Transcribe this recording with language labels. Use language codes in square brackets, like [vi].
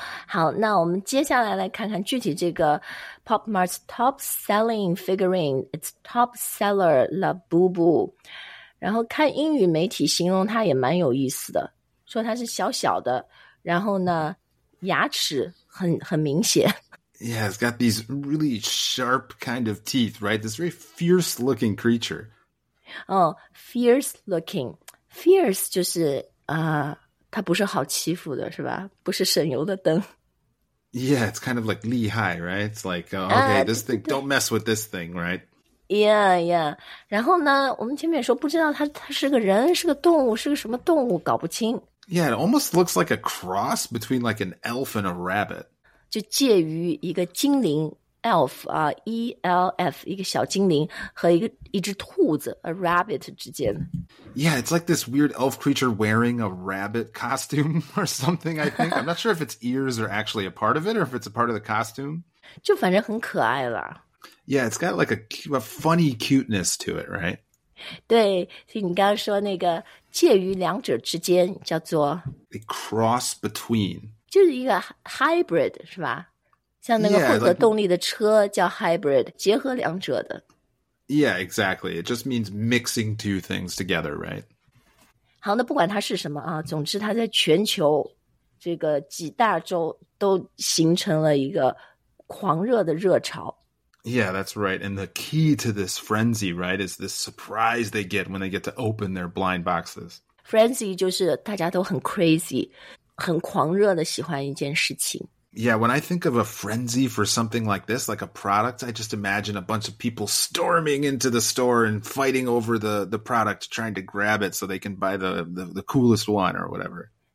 [zh] 好，那我们接下来来看看具体这个 [en] Popmart's top selling figurine, its top seller, Labubu. [zh] 然后看英语媒体形容它也蛮有意思的，说它是小小的，然后呢，牙齿很明显。 [en] Yeah, it's got these really sharp kind of teeth, right? This very fierce looking creature. Oh, fierce looking. [zh] Fierce 就是它不是好欺负的是吧，不是省油的灯。 [en] Yeah, it's kind of like 厉害 right? It's like, okay, this thing, don't mess with this thing, right? Yeah, yeah. [zh] 然后呢我们前面说不知道它是个人是个动物是个什么动物搞不清。 [en] Yeah, it almost looks like a cross between like an elf and a rabbit. [zh] 就介于一个精灵 elf, E-L-F, 一个小精灵和一只兔子 a rabbit 之间。 [en] Yeah, it's like this weird elf creature wearing a rabbit costume or something, I think. I'm not sure if its ears are actually a part of it or if it's a part of the costume. [zh] 就反正很可爱了。 [en] Yeah, it's got like a funny cuteness to it, right? [zh] 对，所以你刚刚说那个介于两者之间叫做 [en] A cross between. [zh] 就是一个 hybrid, 是吧？像那个混合动力的车叫 hybrid, 结合两者的。 [en] Yeah, exactly. It just means mixing two things together, right? [zh] 好，那不管它是什么啊，总之它在全球这个几大洲都形成了一个狂热的热潮。 [en] Yeah, that's right. And the key to this frenzy, right, is this surprise they get when they get to open their blind boxes. [zh] Frenzy 就是大家都很 crazy, 很狂热的喜欢一件事情。 [en] Yeah, when I think of a frenzy for something like this, like a product, I just imagine a bunch of people storming into the store and fighting over the product, trying to grab it so they can buy the coolest one or whatever.